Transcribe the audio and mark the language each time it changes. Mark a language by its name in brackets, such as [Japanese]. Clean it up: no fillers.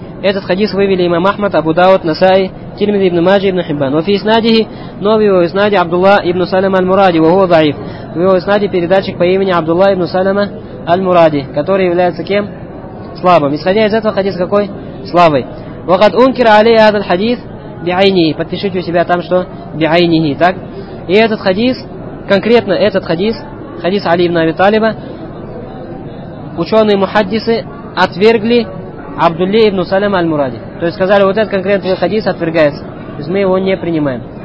[Russian] Этот хадис вывели имам Ахмад, Абу Дауд, Насаи, Тирмизи ибн Маджа ибн Хиббан. Во фи-иснадихи, но в его иснаде Абдулла ибн Салям аль-Муради, ва хуа даиф. В его иснаде передатчик по имени Абдулла ибн Салама аль-Муради, который является кем? Слабым. Исходя из этого, хадис какой? Слабый. [Arabic] وقد أنكر عليه هذا الحديث بعينه. [Russian] Подпишите у себя там, что بعينه, так? И этот хадис, конкретно этот хадис, хадис Али ибн Аби Талиба, ученые-мухаддисы отвергли Абдулле ибн Салям аль-Муради. То есть сказали, вот этот конкретный хадис отвергается. То есть мы его не принимаем.